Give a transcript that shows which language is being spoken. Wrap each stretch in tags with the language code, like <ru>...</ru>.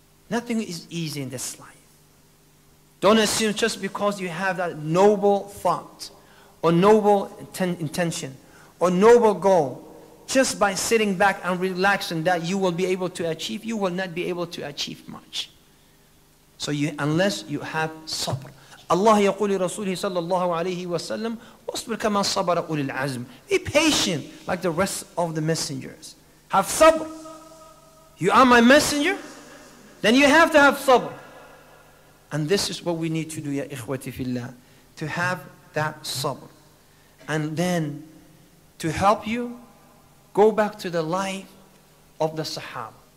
<en>Nothing is easy in this life. Don't assume just because you have that noble thought or noble intention or noble goal, just by sitting back and relaxing that you will be able to achieve, you will not be able to achieve much. So you, unless you have sabr.</en> <ar>Allah يقول رسوله صلى الله عليه وسلم واصبر كما صبر أولي العزم.</ar> <en>Be patient like the rest of the messengers. Have sabr. You are my messenger, then you have to have sabr. And this is what we need to do, ya ikhwati fillah, to have that sabr. And then to help you, go back to the life of the sahaba.</en>